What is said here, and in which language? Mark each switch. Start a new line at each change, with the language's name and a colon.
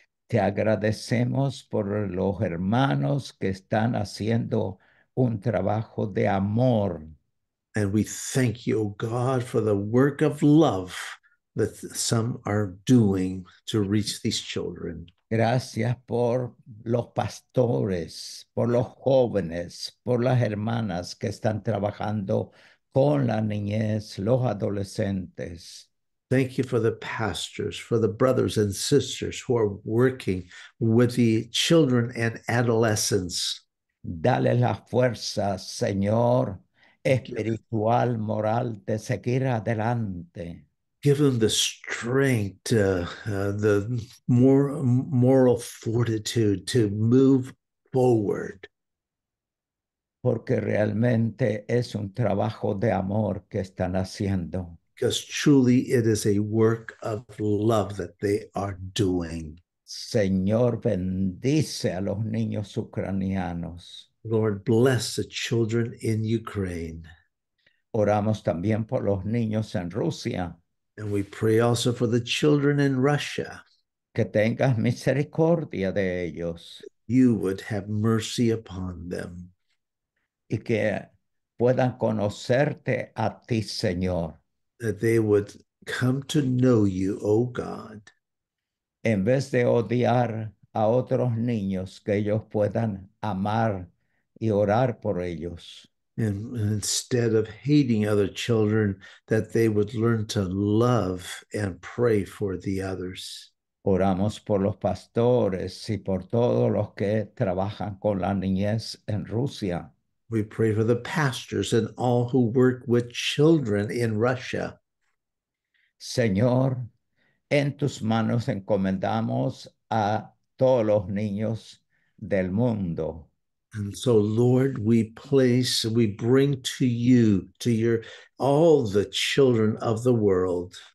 Spanish: Te agradecemos por los hermanos que están haciendo un trabajo de amor.
English: And we thank you, oh God, for the work of love that some are doing to reach these children.
Spanish: Gracias por los pastores, por los jóvenes, por las hermanas que están trabajando con la niñez, los adolescentes.
English: Thank you for the pastors, for the brothers and sisters who are working with the children and adolescents.
Spanish: Dale la fuerza, Señor, espiritual, moral, de seguir adelante.
English: Give them the strength, the moral fortitude to move forward.
Spanish: Porque realmente es un trabajo de amor que están haciendo.
English: Because truly it is a work of love that they are doing.
Spanish: Señor, bendice a los niños ucranianos.
English: Lord, bless the children in Ukraine.
Spanish: Oramos también por los niños en Rusia.
English: And we pray also for the children in Russia.
Spanish: Que tengas misericordia de ellos.
English: You would have mercy upon them.
Spanish: Y que puedan conocerte a ti, Señor.
English: That they would come to know you, O God.
Spanish: En vez de odiar a otros niños, que ellos puedan amar y orar por ellos.
English: And instead of hating other children, that they would learn to love and pray for the others.
Spanish: Oramos por los pastores y por todos los que trabajan con la niñez en Rusia.
English: We pray for the pastors and all who work with children in Russia.
Spanish: Señor, en tus manos encomendamos a todos los niños del mundo.
English: And so, Lord, we bring to you, all the children of the world.